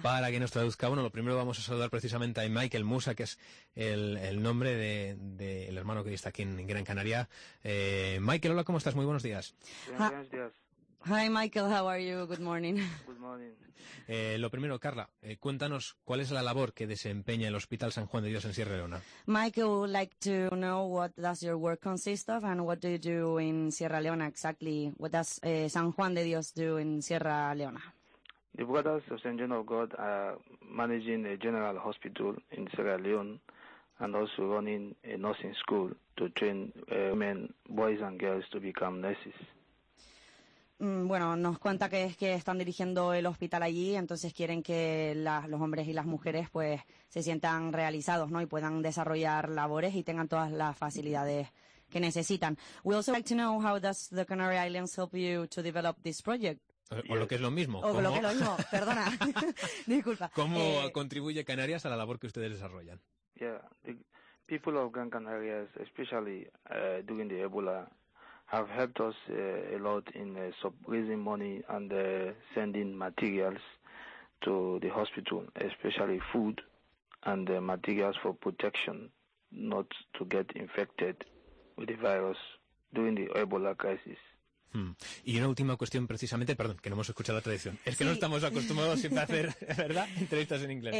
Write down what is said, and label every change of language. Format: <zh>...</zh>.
<es>Para que nos traduzca, bueno, lo primero vamos a saludar precisamente a Michael Musa, que es el nombre del hermano que está aquí en Gran Canaria. Michael, hola, ¿cómo estás? Muy buenos días.</es> <en>Hi, Michael, how are you? Good morning. Good morning.</en> <es>Lo primero, Carla, cuéntanos cuál es la labor que desempeña el Hospital San Juan de Dios en Sierra Leona.</es> <en>Michael, would like to know what does your work consist of and what do you do in Sierra Leona exactly? What does San Juan de Dios do in Sierra Leona? The Brothers of St. John of God are managing a general hospital in Sierra Leone and also running a nursing school to train women, boys and girls to become nurses.</en> <es>Bueno, nos cuenta que es que están dirigiendo el hospital allí, entonces quieren que los hombres y las mujeres pues se sientan realizados, ¿no? Y puedan desarrollar labores y tengan todas las facilidades que necesitan.</es> <en>We also like to know how does the Canary Islands help you to develop this project?</en> <es>O lo que es lo mismo. Perdona, disculpa. ¿Cómo contribuye Canarias a la labor que ustedes desarrollan?</es> <en>Yeah, the people of Gran Canaria, especially during the Ebola, have helped us a lot in raising money and sending materials to the hospital, especially food and materials for protection, not to get infected with the virus during the Ebola crisis.</en> <es>Y una última cuestión precisamente, perdón, que no hemos escuchado la traducción. Es que sí. No estamos acostumbrados siempre a hacer, ¿verdad?, entrevistas en inglés.</es>